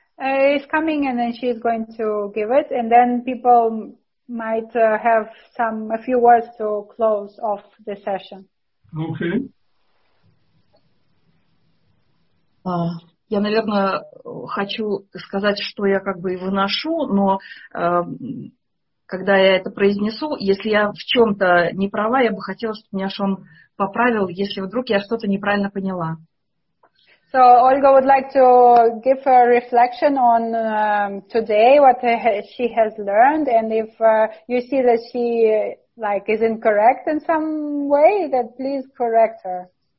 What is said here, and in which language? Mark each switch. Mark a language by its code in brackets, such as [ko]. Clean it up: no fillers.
[en] Is coming and then she's going to give it and then people might have some a few words to close off the session. Okay. [ru] Я, наверное, хочу сказать, что я как бы и выношу, но когда я это произнесу, если я в чем-то не права, я бы хотела, чтобы меня Шон поправил, если вдруг я что-то неправильно поняла. [en] So Olga would like to give her reflection on today, what she has learned, and if you see that she like is incorrect in some way, then please correct her.